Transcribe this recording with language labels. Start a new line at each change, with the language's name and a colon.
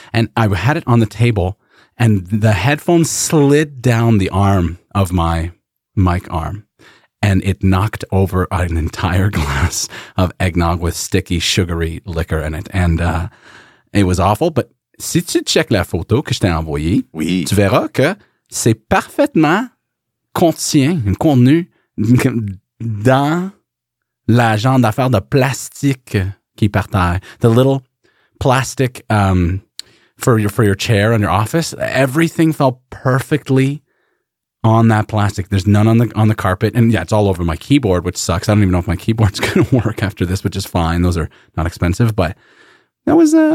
English: And I had it on the table, and the headphone slid down the arm of my mic arm, and it knocked over an entire glass of eggnog with sticky, sugary liquor in it. And it was awful. But
French: si tu check la photo que je t'ai envoyée, oui, tu verras que c'est parfaitement contenu dans la genre d'affaires de plastique qui partait.
English: The little plastic for your chair in your office. Everything fell perfectly on that plastic. There's none on the carpet. And it's all over my keyboard, which sucks. I don't even know if my keyboard's going to work after this, which is fine. Those are not expensive. But that was